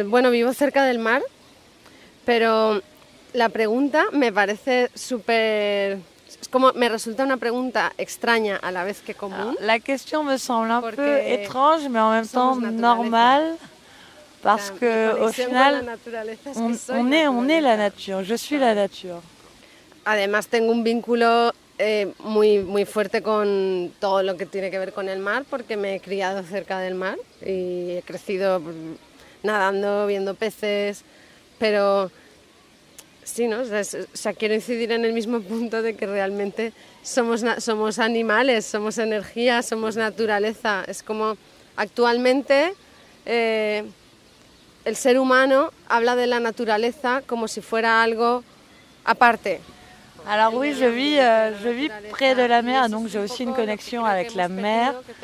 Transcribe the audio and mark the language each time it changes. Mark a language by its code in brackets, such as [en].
[es] Vivo cerca del mar, pero la pregunta me parece súper... Como me resulta una pregunta extraña a la vez que común. [fr] La question me semble un peu étrange, mais en même temps normal, parce que au final, on est la nature, je suis la nature. [es] Además, tengo un vínculo muy muy fuerte con todo lo que tiene que ver con el mar, porque me he criado cerca del mar y he crecido nadando, viendo peces, pero sí, ¿no? O sea, quiero incidir en el mismo punto de que realmente somos animales, somos energía, somos naturaleza. Es como actualmente el ser humano habla de la naturaleza como si fuera algo aparte. [fr] Alors oui, je vis près de la mer, donc j'ai aussi une connexion avec la mer.